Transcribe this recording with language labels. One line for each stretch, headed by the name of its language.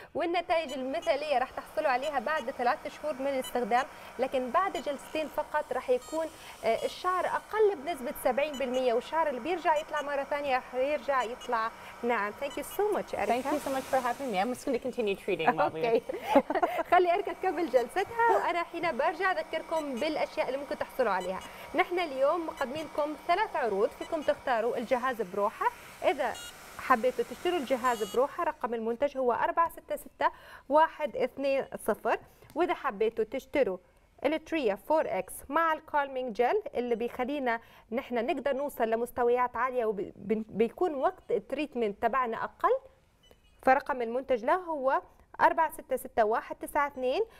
Arabic: والنتائج المثالية راح تحصلوا عليها بعد 3 شهور من الاستخدام، لكن بعد جلستين فقط راح يكون الشعر أقل بنسبة 70%، والشعر اللي بيرجع يطلع مرة ثانية راح يرجع يطلع ناعم.
English: Thank you so much, Erica. Thank you so much for having me. I'm just going to continue treating while okay.
Arabic: خلي Erica تكمل جلستها وأنا حين برجع أذكركم بالأشياء اللي ممكن تحصلوا عليها. نحن اليوم مقدمين لكم 3 عروض، فيكم تختاروا الجهاز بروحه. إذا حبيتوا تشتروا الجهاز بروحه رقم المنتج هو 466120، وإذا حبيتوا تشتروا التريا 4X مع الكالمينج جل اللي بيخلينا نحن نقدر نوصل لمستويات عالية وبيكون وقت التريتمنت تبعنا أقل، فرقم المنتج له هو 466192.